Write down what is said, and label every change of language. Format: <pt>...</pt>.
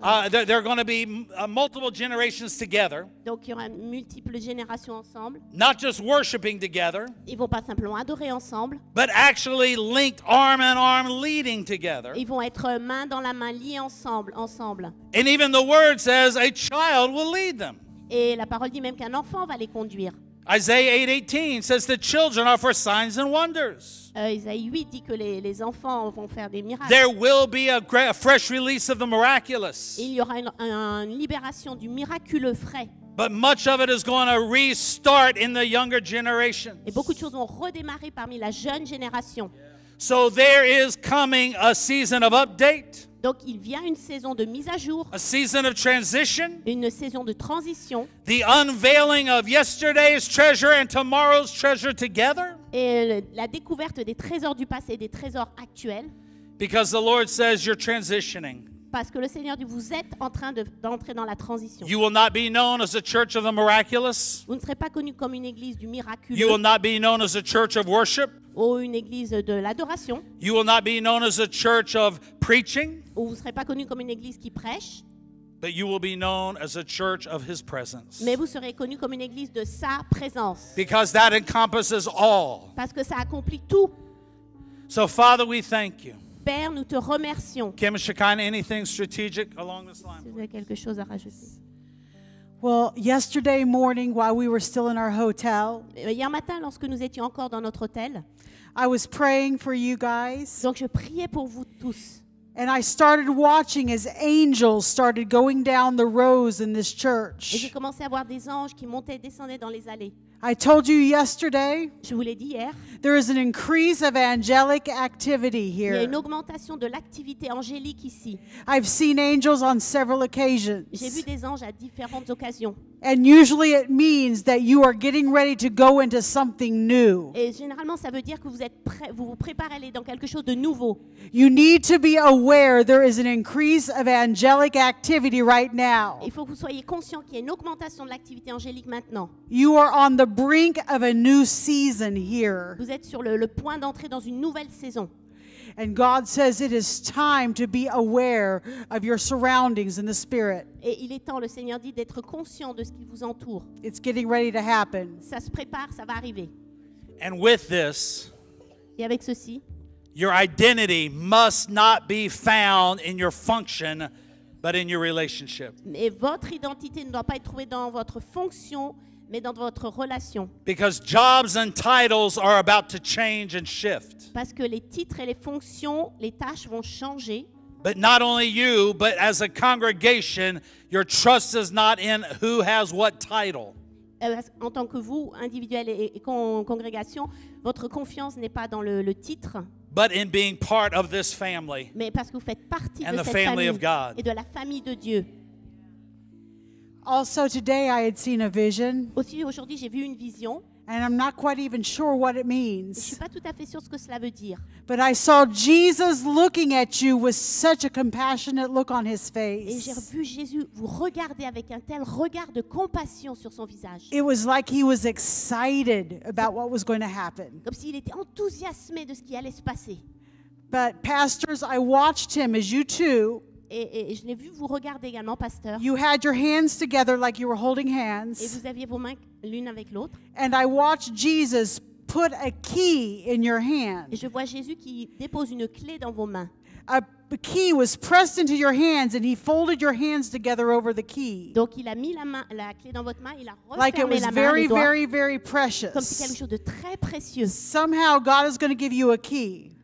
<en>There are going to be multiple generations together.</en> <fr>Donc, il y aura multiple générations ensemble.</fr> <en>Not just worshiping together.</en> <fr>Ils vont pas simplement adorer ensemble.</fr> <en>But actually linked arm in arm, leading together.</en> <fr>Ils vont être main dans la main, liés ensemble, ensemble.</fr> <en>And even the word says a child will lead them.</en> <fr>Et la parole dit même qu'un enfant va les conduire.</fr> <en>Isaiah 8:18 says the children are for signs and wonders.</en> <fr>Isaiah 8 dit que les enfants vont faire des miracles.</fr> <en>There will be a fresh release of the miraculous.</en> <fr>Il y aura une libération du miraculeux frais.</fr> <en>But much of it is going to restart in the younger generations.</en> <fr>Et beaucoup de choses vont redémarrer parmi la jeune génération.</fr> <en>Yeah. So there is coming a season of update.</en> <fr>Donc il vient une saison de mise à jour.</fr> <en>A season of transition.</en> <fr>Une saison de transition.</fr> <en>The unveiling of yesterday's treasure and tomorrow's treasure together.</en> <fr>Et la découverte des trésors du passé et des trésors actuels.</fr> <en>Because the Lord says you're transitioning.</en> <fr>parce que le Seigneur dit, vous êtes en train d'entrer dans la transition.</fr> <en>You will not be known as a church of the miraculous.</en> <fr>Vous ne serez pas connu comme une église du miraculeux.</fr> <en>You will not be known as a church of worship.</en> <fr>Ou une église de l'adoration.</fr> <en>You will not be known as a church of preaching.</en> <fr>Ou vous ne serez pas connu comme une église qui prêche.</fr> <en>But you will be known as a church of His presence.</en> <fr>Mais vous serez connu comme une église de sa présence.</fr> <en>Because that encompasses all.</en> <fr>Parce que ça accomplit tout.</fr> <en>So Father, we thank you.</en> <fr>Père, nous te remercions.</fr> <en>Kim Shekin, anything strategic along this line?</en> <fr>Vous avez quelque chose à rajouter?</fr> <en>Well, yesterday morning, while we were still in our hotel,</en> <fr>hier matin, lorsque nous étions encore dans notre hôtel,</fr> <en>I was praying for you guys.</en> <fr>Donc je priais pour vous tous.</fr> <en>And I started watching as angels started going down the rows in this church.</en> <fr>Et j'ai commencé à voir des anges qui montaient et descendaient dans les allées.</fr> <en>I told you yesterday.</en> <fr>Je vous l'ai dit hier.</fr> <en>There is an increase of angelic activity here.</en> <fr>Il y a une augmentation de l'activité angélique ici.</fr> <en>I've seen angels on several occasions.</en> <fr>J'ai vu des anges à différentes occasions.</fr> <en>And usually it means that you are getting ready to go into something new.</en> <fr>Et généralement ça veut dire que vous êtes prêt, vous vous préparez à aller dans quelque chose de nouveau.</fr> <en>You need to be aware there is an increase of angelic activity right now.</en> <fr>Il faut que vous soyez conscient qu'il y a une augmentation de l'activité angélique maintenant.</fr> <en>You are on the brink of a new season here.</en> <fr>Vous êtes sur le point d'entrer dans une nouvelle saison.</fr> <en>And God says it is time to be aware of your surroundings in the spirit.</en> <fr>Et il est temps, le Seigneur dit, d'être conscient de ce qui vous entoure.</fr> <en>It's getting ready to happen.</en> <fr>Ça se prépare, ça va arriver.</fr> <en>And with this,</en> <fr>et avec ceci,</fr> <en>your identity must not be found in your function, but in your relationship.</en> <fr>Et votre identité ne doit pas être trouvée dans votre fonction, mais dans votre relation.</fr> <en>Because jobs and titles are about to change and shift.</en> <fr>Parce que les titres et les fonctions, les tâches vont changer.</fr> <en>But not only you, but as a congregation, your trust is not in who has what title.</en> <fr>En tant que vous, individuel et congrégation, votre confiance n'est pas dans le titre.</fr> <en>But in being part of this family.</en> <fr>Mais parce que vous faites partie de cette famille</fr> <en>of God.</en> <fr>Et de la famille de Dieu.</fr> <en>Also today I had seen a vision.</en> <fr>Aussi aujourd'hui j'ai vu une vision.</fr> <en>And I'm not quite even sure what it means.</en> <fr>Je suis pas tout à fait sûr ce que cela veut dire.</fr> <en>But I saw Jesus looking at you with such a compassionate look on his face.</en> <fr>Et j'ai vu Jésus vous regarder avec un tel regard de compassion sur son visage.</fr> <en>It was like he was excited about what was going to happen.</en> <fr>Comme s'il était enthousiasmé de ce qui allait se passer.</fr> <en>But pastors, I watched him as you too.</en> <fr>Et je l'ai vu vous regarder également, pasteur.</fr> <en>You had your hands together like you were holding hands.</en> <fr>Et vous aviez vos mains l'une avec l'autre.</fr> <en>And I watched Jesus put a key in your hand.</en> <fr>Et je vois Jésus qui dépose une clé dans vos mains.</fr> <en>A key was pressed into your hands and he folded your hands together over the key.</en> <fr>Donc il a mis la clé dans votre main, il a refermé la main.</fr> <en>Like it was very, very, very precious.</en> <fr>Comme si quelque chose de très précieux.</fr> <en>Somehow God is going to give you a key.</en>